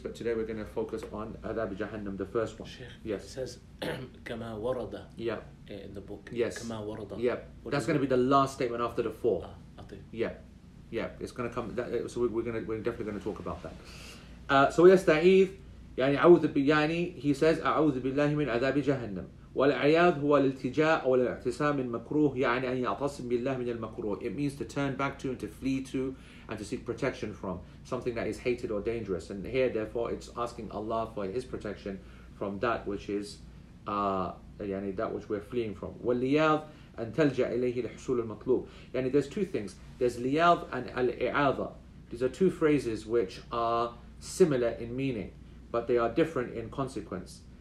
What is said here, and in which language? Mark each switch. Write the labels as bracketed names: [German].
[English] But today we're going to focus on Adhab Jahannam, the first one. Sheikh, yes. It says, Kama warada. Yeah. In the book. Yes. Kama warada. Yeah. That's going to be the last statement after the four. Yeah. Yeah. It's going to come. That, so we're definitely going to talk about that. So, yes, Da'eev, [Arabic] يعني أعوذ يعني [English] he says [Arabic] أعوذ بالله من عذاب جهنم. والعياذ هو الالتجاء أو الاعتصام من مكروه يعني أن يعتصم بالله من المكروه. [English] It means to turn back to and to flee to and to seek protection from something that is hated or dangerous. And here, therefore, it's asking Allah for His protection from that which is يعني that which we're fleeing from. [Arabic] والعياذ أن تلجأ إليه لحصول المطلوب. [English] يعني there's two things. There's العياذ and الإعاذة. These are two phrases which are similar in meaning, but they are different in consequence.